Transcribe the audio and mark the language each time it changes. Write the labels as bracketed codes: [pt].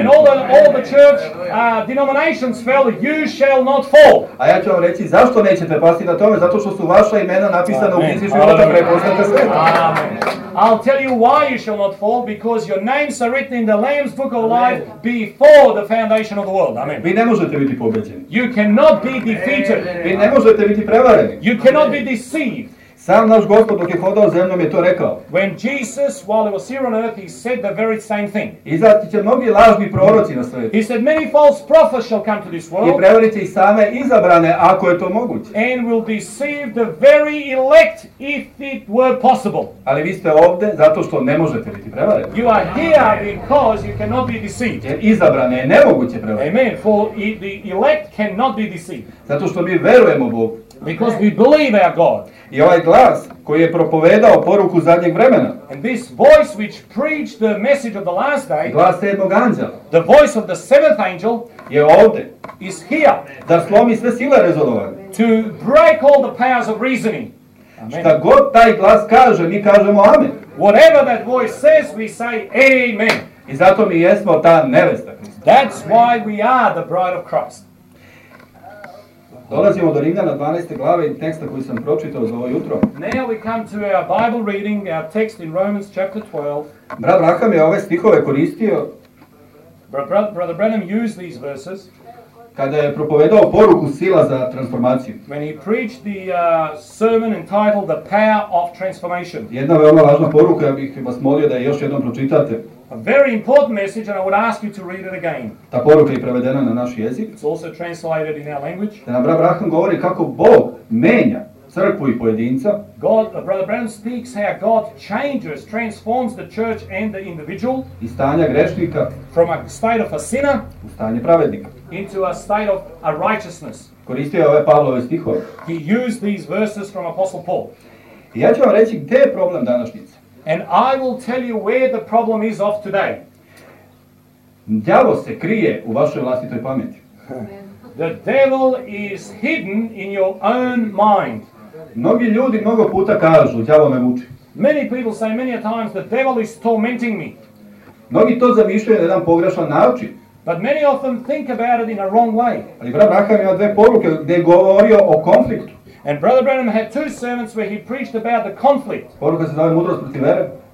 [en] And all the church denominations fell, you shall not fall. [sr] A ja ću vam reći zašto nećete pasti na tome, zato što su vaša imena napisana u knjizi života prepoznata svijeta. Amen. [en] I'll tell you why you shall not fall, because your names are written in the Lamb's Book of Life before the foundation of the world. Amen. [sr] Vi ne možete biti pobeđeni. [en] You cannot be defeated. [sr] Vi ne možete biti prevareni. [en] You cannot be deceived. [sr] Sam naš Gospod dok je hodao zemljom je to rekao. [en] When Jesus, while he was here on earth, he said the very same thing. [sr] Izaći će mnogi lažni proroci na svijetu. [en] He said many false prophets shall come to this world. [sr] I prevarit će i same izabrane ako je to moguće. [en] And will deceive the very elect if it were possible. [sr] Ali vi ste ovdje zato što ne možete biti prevareni. [en] You are here because you cannot be deceived. [sr] Jer izabrane je nemoguće prevariti. [en] Amen. For the elect cannot be deceived. [sr] Zato što mi vjerujemo Bogu. [en] Because we believe our God. [sr] I ovaj glas koji je propovedao poruku zadnjeg vremena. [en] And this voice which preached the message of the last day. [sr] Glas sedmog anđela. [en] The voice of the seventh angel. [sr] Je ovdje. [en] Is here. [sr] Da slomi sve sile rezonovanja. [en] To break all the powers of reasoning. Amen. [sr] Šta god taj glas kaže, mi kažemo amen. [en] Whatever that voice says, we say amen. [sr] I zato mi jesmo ta nevesta. [en] That's why we are the bride of Christ. [sr] Dolazimo do Rimljana 12. glave i teksta koji sam pročitao za ovo jutro. [en] Now we come to our Bible reading, our text in Romans chapter 12. [sr] Brat Branham je ove stihove koristio. [en] Brother Branham used these verses. [sr] Kada je propovedao poruku sila za transformaciju. [en] When he preached the sermon entitled The Power of Transformation. [sr] Jedna veoma važna poruka, ja bih vas molio da je još jednom pročitate. [en] A very important message and I would ask you to read it again. [sr] Ta poruka je prevedena na naš jezik. [en] It's also translated in our language. [sr] Da nam brat Branham govori kako Bog menja crkvu i pojedinca. [en] God, Brother Branham speaks how God changes, transforms the church and the individual. [sr] Iz stanja grešnika. [en] From a state of a sinner. [sr] U stanje pravednika. [en] Into a state of a righteousness. [sr] Koristio je ove Pavlove stihove. [en] He used these verses from Apostle Paul. [sr] I ja ću vam reći gdje je problem današnjice. [en] And I will tell you where the problem is of today. [sr] Djavo se krije u vašoj vlastitoj pameti. [en] The devil is hidden in your own mind. [sr] Mnogi ljudi mnogo puta kažu, djavo me muči. [en] Many people say many times the devil is tormenting me. [sr] Mnogi to zamišljaju na jedan pogrešan način. [en] But many of them think about it in a wrong way. [sr] Ali brat Branham ima dve poruke gdje je govorio o konfliktu. [en] And Brother Branham had two sermons where he preached about the conflict. [sr] Poruka se zove mudrost protiv vere.